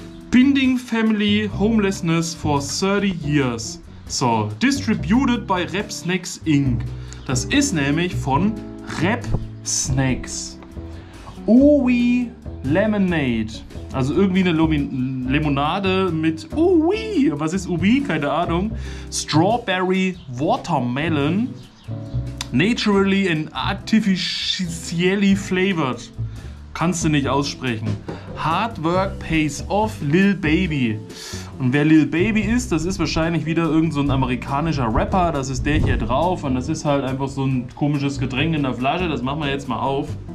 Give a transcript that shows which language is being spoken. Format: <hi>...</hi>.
<en>Binding Family Homelessness for 30 Years. So, distributed by Rap Snacks Inc.</en> <de>Das ist nämlich von Rap Snacks. Uwi Lemonade. Also irgendwie eine Limonade mit Uwi. Was ist Uwi? Keine Ahnung. Strawberry Watermelon.</de> <en>Naturally and artificially flavored.</en> <de>Kannst du nicht aussprechen.</de> <en>Hard work pays off,</en> <de>Lil Baby. Und wer Lil Baby ist, das ist wahrscheinlich wieder irgend so ein amerikanischer Rapper. Das ist der hier drauf. Und das ist halt einfach so ein komisches Getränk in der Flasche. Das machen wir jetzt mal auf.</de>